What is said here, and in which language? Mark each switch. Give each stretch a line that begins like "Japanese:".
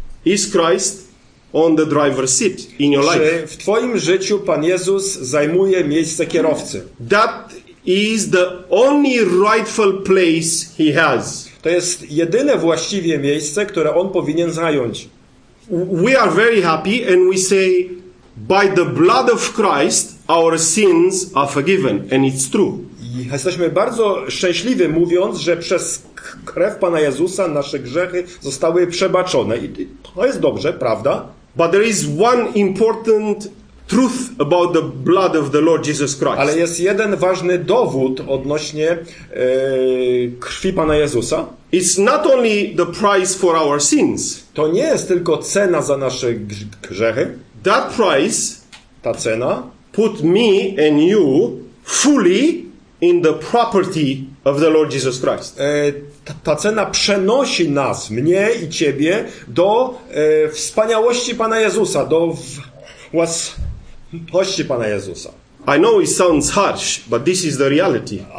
English: Is Christ on the driver's seat in your life?
Polish: Czy w twoim życiu Pan Jezus zajmuje miejsce kierowcy?
English: That is the only rightful place he has.
Polish: To jest jedyne właściwie miejsce, które on powinien zająć.
English: We are very happy and we say, by the blood of Christ, our sins are forgiven. And it's true.
Polish: Jesteśmy bardzo szczęśliwi, mówiąc, że przez krew Pana Jezusa nasze grzechy zostały przebaczone. I to jest dobrze, prawda?
English: But there is one important truth about the blood of the Lord Jesus Christ.
Polish: Ale jest jeden ważny dowód odnośnie krwi Pana Jezusa.
English: It's not only the price for our sins.
Polish: To nie jest tylko cena za nasze grzechy.
English: That price,
Polish: ta cena,
English: put me and you fully in the property of the Lord Jesus Christ.
Polish: Ta cena przenosi nas, mnie i ciebie, do wspaniałości Pana Jezusa, do własności Pana Jezusa.
English: I know it sounds harsh, but this is the reality.